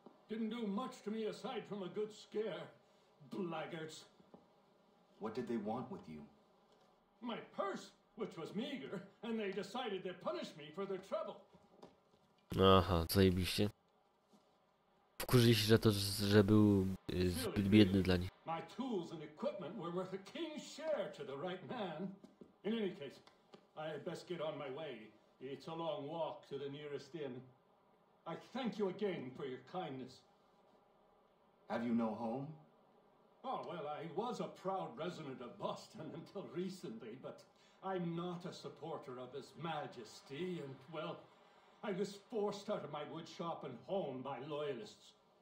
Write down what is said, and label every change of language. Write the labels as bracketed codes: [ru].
[en] Didn't do much to me aside from a good scare, blackguards. What did they want with you? My purse, which was meager, and they decided they'd punish me for their trouble. [pl] Aha, zajebiście. Wkurzyli się, że był zbyt biedny dla nich. [en] My tools and equipment were worth a king's share to the right man. In any case, I had best get on my way. It's a long walk to the nearest inn. I thank you again for your kindness. Have you no home? Oh, well, I was a proud resident of Boston until recently, but I'm not a supporter of His Majesty, and, well, I was forced out of my woodshop and home by loyalists.